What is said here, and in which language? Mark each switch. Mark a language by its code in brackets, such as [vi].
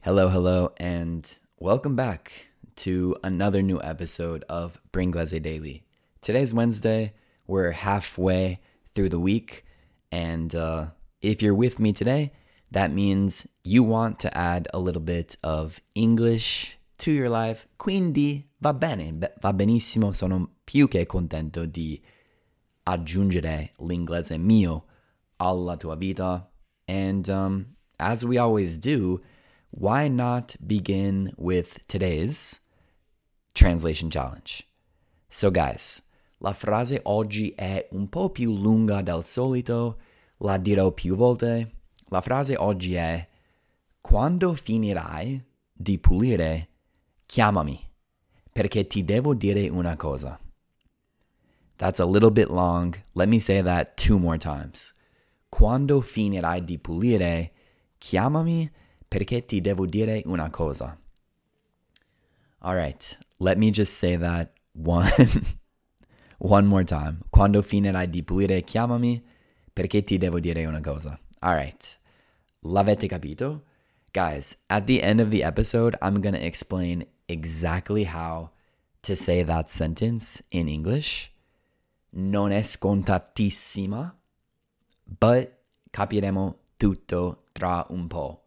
[en] Hello, hello, and welcome back to another new episode of Bringlese Daily. Today's Wednesday. We're halfway through the week, and if you're with me today, that means you want to add a little bit of English to your life. [it] Quindi va bene, va benissimo, sono più che contento di aggiungere l'inglese mio alla tua vita. [en] And as we always do, why not begin with today's translation challenge? So guys, [it] la frase oggi è un po' più lunga del solito, la dirò più volte. La frase oggi è: quando finirai di pulire, chiamami, perché ti devo dire una cosa. [en] That's a little bit long. Let me say that two more times. [it] Quando finirai di pulire, chiamami, perché ti devo dire una cosa. [en] All right, let me just say that one more time. [it] Quando finirai di pulire, chiamami, perché ti devo dire una cosa. [en] All right. [it] L'avete capito? [en] Guys, at the end of the episode, I'm going to explain exactly how to say that sentence in English. [it] Non è scontatissima, but capiremo tutto tra un po'.